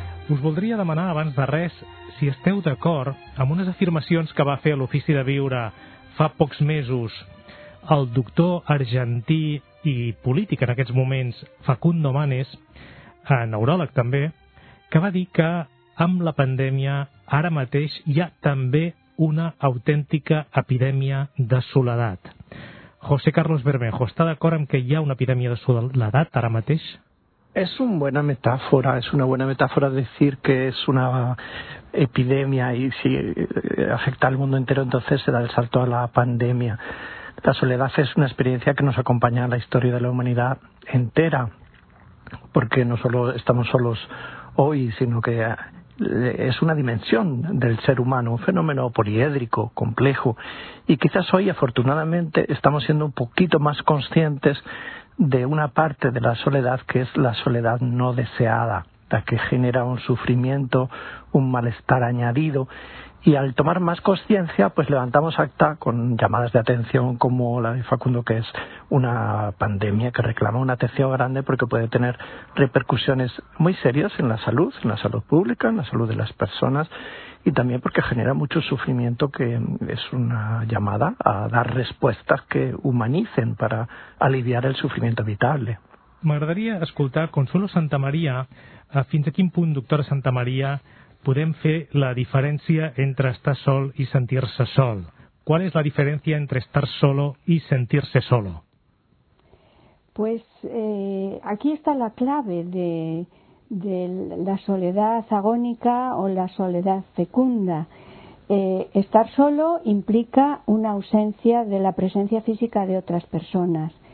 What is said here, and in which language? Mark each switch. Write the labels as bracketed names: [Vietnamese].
[Catalan] Us voldria demanar abans de res si esteu d'acord amb unes afirmacions que va fer a l'Ofici de Viure fa pocs mesos el doctor argentí i polític en aquests moments, Facundo Manes, neuròleg també, que va dir que amb la pandèmia ara mateix hi ha també una autèntica epidèmia de soledat. José Carlos Bermejo, està d'acord amb que hi ha una epidèmia de soledat ara mateix? És una bona metàfora, és una bona metàfora dir que és una epidèmia i si afecta el món [Spanish] entero, entonces se da el salto a la [Catalan] pandèmia. [Spanish] La soledad es una experiencia que nos acompaña en la historia de la humanidad entera, porque no solo estamos solos hoy, sino que es una dimensión del ser humano, un fenómeno poliédrico, complejo, y quizás hoy, afortunadamente, estamos siendo un poquito más conscientes de una parte de la soledad que es la soledad no deseada, la que genera un sufrimiento, un malestar añadido. Y al tomar más conciencia, pues levantamos acta con llamadas de atención como la de Facundo, que es una pandemia que reclama una atención grande porque puede tener repercusiones muy serias en la salud pública, en la salud de las personas, y también porque genera mucho sufrimiento, que es una llamada a dar respuestas que humanicen para aliviar el sufrimiento evitable. [Catalan] M'agradaria escoltar Consuelo Santamaría. Fins a quin punt, doctora Santamaría, podem fer la diferència entre estar sol i sentir-se sol? [Spanish] ¿Cuál es la diferencia entre estar solo y sentirse solo? Pues aquí está la clave de la soledad agónica o la soledad fecunda. Estar solo implica una ausencia de la presencia física de otras personas.